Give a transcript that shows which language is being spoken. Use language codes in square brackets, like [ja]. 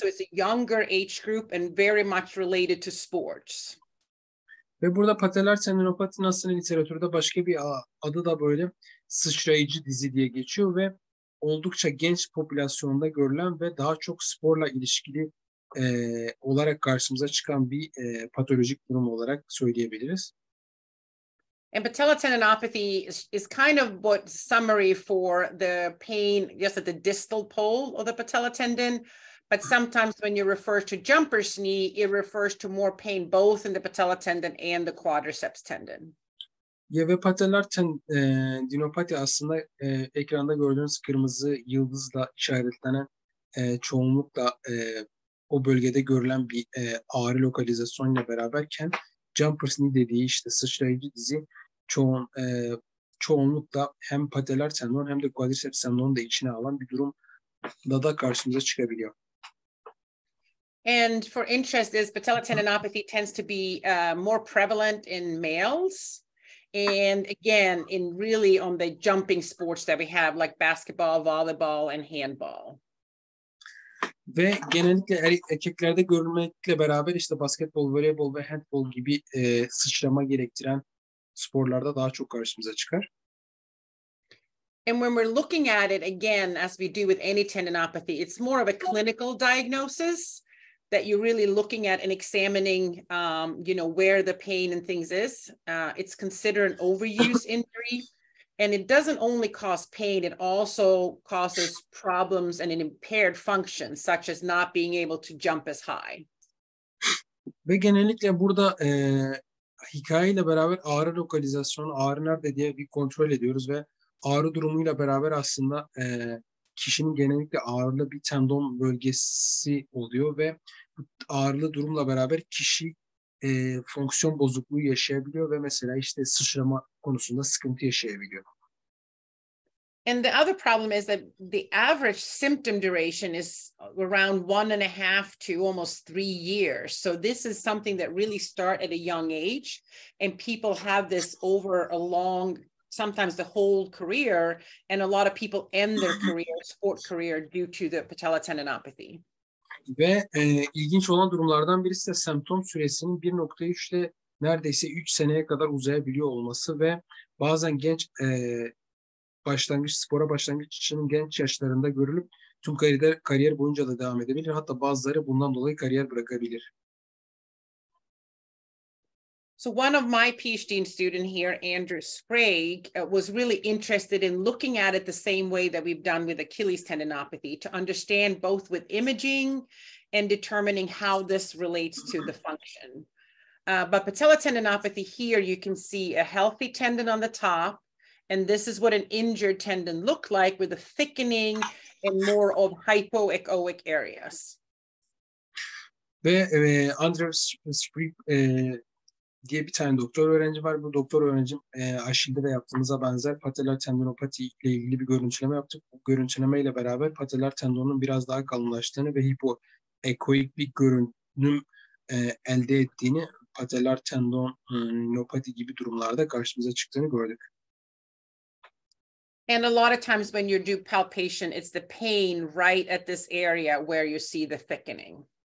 [en] So it's a younger age group and very much related to sports. [tr] Ve burada patellar tendinopati aslında literatürde başka bir adı da böyle sıçrayıcı dizi diye geçiyor ve oldukça genç popülasyonda görülen ve daha çok sporla ilişkili olarak karşımıza çıkan bir patolojik durum olarak söyleyebiliriz. [en] And patellar tendinopathy is kind of what summary for the pain just at the distal pole of the patellar tendon. But sometimes when you refer to jumper's knee, it refers to more pain both in the patellar tendon and the quadriceps tendon. [tr] Yeah, ve patellar tendinopati aslında ekranda gördüğünüz kırmızı yıldızla işaretlenen çoğunlukla o bölgede görülen bir ağrı lokalizasyonuyla beraberken jumper's knee dediği işte sıçrayıcı dizi çoğunlukla hem patellar tendon hem de quadriceps tendonu da içine alan bir durumda da karşımıza çıkabiliyor. [en] And for interest, patellar tendinopathy tends to be more prevalent in males. And again, in really on the jumping sports that we have, like basketball, volleyball, and handball. [tr] Ve genellikle erkeklerde görülmekle beraber işte basketbol, voleybol ve handball gibi sıçrama gerektiren sporlarda daha çok karşımıza çıkar. [en] And when we're looking at it again, as we do with any tendinopathy, it's more of a clinical diagnosis that you're really looking at and examining, you know, where the pain and things is. It's considered an overuse injury. And it doesn't only cause pain, it also causes problems and an impaired function, such as not being able to jump as high. [tr] Ve genellikle burada hikayeyle beraber ağrı lokalizasyonu, ağrı nerede diye bir kontrol ediyoruz ve ağrı durumuyla beraber aslında kişinin genellikle ağrılı bir tendon bölgesi oluyor ve ağrılı durumla beraber kişi fonksiyon bozukluğu yaşayabiliyor ve mesela işte sıçrama konusunda sıkıntı yaşayabiliyor. [en] And the other problem is that the average symptom duration is around 1.5 to almost 3 years. So this is something that really starts at a young age and people have this over a long, sometimes the whole career, and a lot of people end their career, sport career, due to the patellar tendinopathy. [tr] Ve ilginç olan durumlardan birisi de semptom süresinin 1.3 ile neredeyse 3 seneye kadar uzayabiliyor olması ve bazen genç başlangıç, spora başlangıç için genç yaşlarında görülüp tüm kariyer boyunca da devam edebilir. Hatta bazıları bundan dolayı kariyer bırakabilir. [en] So one of my PhD student here, Andrew Sprague, was really interested in looking at it the same way that we've done with Achilles tendinopathy to understand both with imaging and determining how this relates to the function. But patellar tendinopathy here, you can see a healthy tendon on the top. And this is what an injured tendon looked like with a thickening and more of hypoechoic areas. [tr] Ve Andreas Sprieg diye bir tane doktor öğrenci var. Bu doktor öğrencim Aşil'de de yaptığımıza benzer patellar tendinopati ile ilgili bir görüntüleme yaptık. Bu görüntüleme ile beraber patellar tendonunun biraz daha kalınlaştığını ve hipoechoic bir görünüm elde ettiğini, patellar tendinopati gibi durumlarda karşımıza çıktığını gördük. [en] And a lot of times when you do palpation, it's the pain right at this area where you see the thickening.